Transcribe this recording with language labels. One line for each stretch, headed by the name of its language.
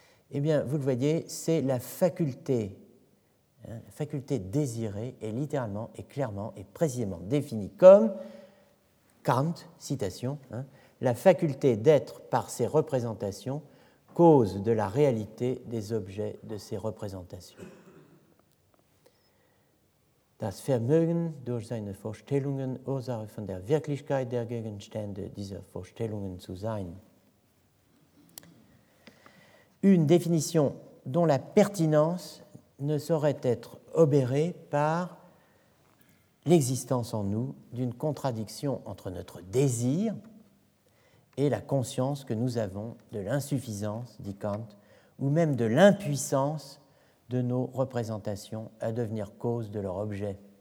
French: Eh bien, vous le voyez, c'est la faculté, hein, la faculté désirée est littéralement et clairement et précisément définie comme Kant, citation, hein, la faculté d'être par ses représentations cause de la réalité des objets de ces représentations.
German: Das Vermögen durch seine Vorstellungen Ursache von der Wirklichkeit der Gegenstände dieser Vorstellungen zu sein.
French: Une définition dont la pertinence ne saurait être obérée par l'existence en nous d'une contradiction entre notre désir et la conscience que nous avons de l'insuffisance, dit Kant, ou même de l'impuissance de nos représentations à devenir cause de leur objet.